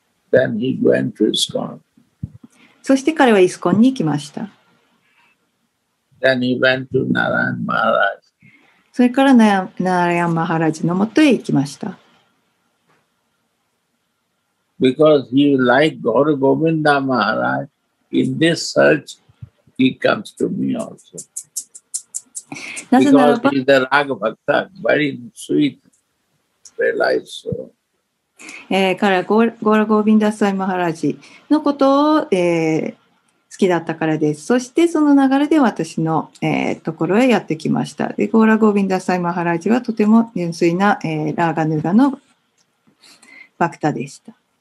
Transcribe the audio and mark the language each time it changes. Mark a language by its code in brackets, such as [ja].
[en] Then he went to ISKCON. [ja] そして彼はイスコンに行きました。 [en] Then he went to Narayan Maharaj. [ja] それからナラヤン・マハラジのもとへ行きました。 [en] Because he liked Guru Govinda Maharaj, in this search, he comes to me also. [ja] なぜならば、 [en] Because he's a Raghavakta, very sweet, very nice soul. [ja] 彼はゴラ・ゴービンダ・サイ・マハラジのことを、好きだったからです。そしてその流れで私の、ところへやってきました。でゴラ・ゴービンダ・サイ・マハラジはとても純粋な、ラーガヌーガのバクタでした。